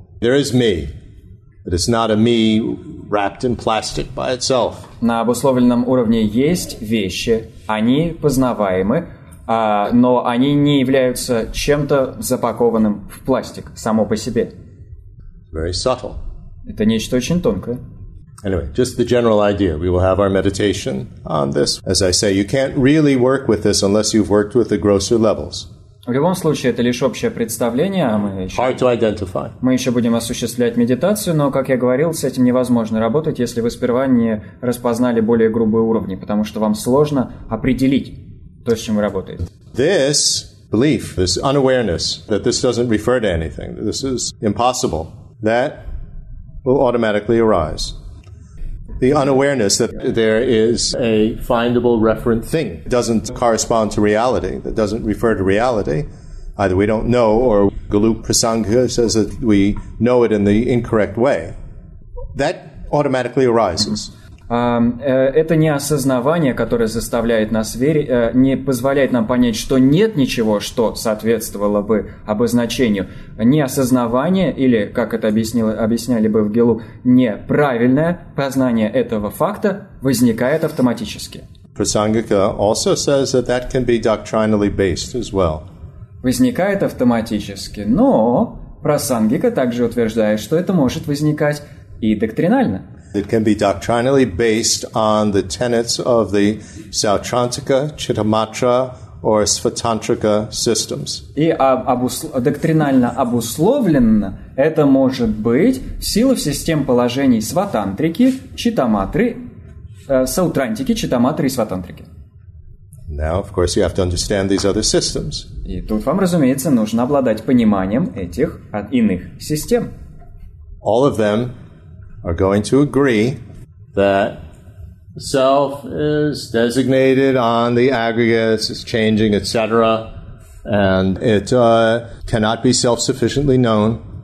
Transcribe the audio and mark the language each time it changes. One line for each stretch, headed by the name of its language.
English: There is me, but it's not a me wrapped in plastic by itself.
Russian: На обусловленном уровне есть вещи, они познаваемы, но они не являются чем-то запакованным в пластик само по себе.
English: Very subtle.
Russian: Это нечто очень тонкое.
English: Anyway, just the general idea. We will have our meditation on this. As I say, you can't really work with this unless you've worked with the grosser levels.
Russian: В любом случае, это лишь общее представление, а мы еще будем осуществлять медитацию, но, как я говорил, с этим невозможно работать, если вы сперва не распознали более грубые уровни, потому что вам сложно определить то, с чем вы работаете.
English: This belief, this unawareness, that this doesn't refer to anything, that this is impossible, that will automatically arise. The unawareness that there is a findable referent thing doesn't correspond to reality, that doesn't refer to reality. Either we don't know, or Galup Prasanga says that we know it in the incorrect way. That automatically arises.
Russian: Это неосознавание, которое заставляет нас верить, не позволяет нам понять, что нет ничего, что соответствовало бы обозначению. Неосознавание, или, как это объясняли бы в Гилу, неправильное познание этого факта возникает автоматически.
English: Prasangika also says that that can be doctrinally based as well.
Russian: Возникает автоматически, но Prasangika также утверждает, что это может возникать и доктринально.
English: It can be doctrinally based on the tenets of the Sautrantika, Chittamatra, or Svatantrika systems.
Russian: И доктринально обусловленно это может быть в силу систем положений Сватантрики, Читаматры, Саутрантики, Читаматры и Сватантрики.
English: Now, of course, you have to understand these other systems.
Russian: И тут вам, разумеется, нужно обладать пониманием этих иных систем.
English: All of them are going to agree that self is designated on the aggregates, it's changing, etc., and it cannot be self-sufficiently known.